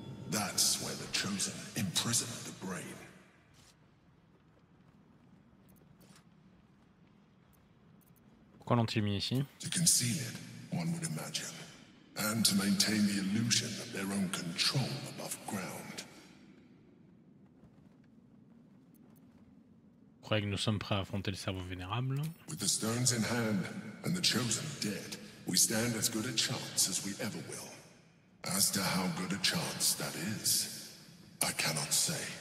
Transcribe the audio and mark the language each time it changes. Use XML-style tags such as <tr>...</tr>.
<en>That's where the Chosen imprison the brain.</en> <fr>Pourquoi l'ont-ils mis ici?</fr> <en>To conceal it, one would imagine. And to maintain the illusion of their own control above ground.</en> <fr>Je crois que nous sommes prêts à affronter le cerveau vénérable.</fr> <en>With the stones in hand and the chosen dead, we stand as good a chance as we ever will. As to how good a chance that is, I cannot say.</en>